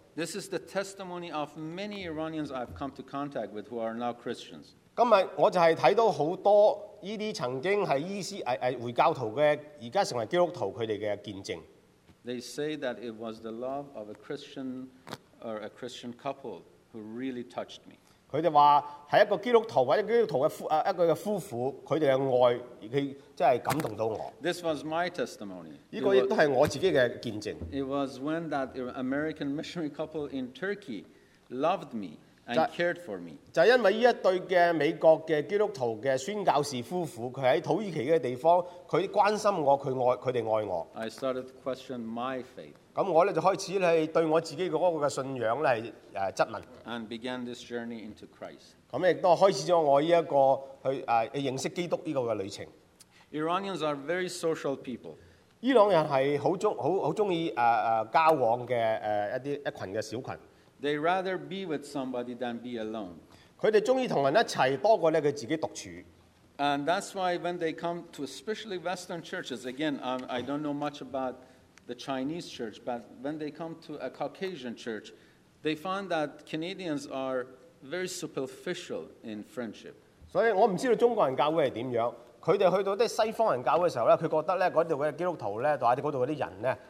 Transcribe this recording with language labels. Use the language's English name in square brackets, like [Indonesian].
[English] This is the testimony of many Iranians I've come to contact with who are now Christians. [Cantonese] 今日我就係睇到好多呢啲曾經係伊斯回教徒嘅，而家成為基督徒佢哋嘅見證。 [English] They say that it was the love of a Christian or a Christian couple. Who really touched me. [Cantonese] 佢哋話係一個基督徒或者基督徒嘅夫婦，佢哋嘅愛佢真係感動到我。 [English] This was my testimony. [Cantonese] 呢個亦都係我自己嘅見證。 [English] It was when that American missionary couple in Turkey loved me and cared for me. [Cantonese] 就係因為呢一對嘅美國嘅基督徒嘅宣教士夫婦，佢喺土耳其嘅地方，佢關心我，佢哋愛我。 [English] I started to question my faith. [Cantonese] 咁我咧就開始咧對我自己嗰個嘅信仰咧係質問。 [English] And began this journey into Christ。 [Cantonese] 咁亦都開始咗我依一個去認識基督依個嘅旅程。 [English] Iranians are very social people。 [Cantonese] 伊朗人係好中意交往嘅一群嘅小群。 [English] They rather be with somebody than be alone。 [Cantonese] 佢哋中意同人一齊多過咧佢自己獨處。 [English] And that's why when they come to especially Western churches, again, I don't know much about. The Chinese church, but when they come to a Caucasian church, they find that Canadians are very superficial in friendship. So I don't know how Chinese church is. When they go to Western church, they find that the Christians are very superficial in friendship.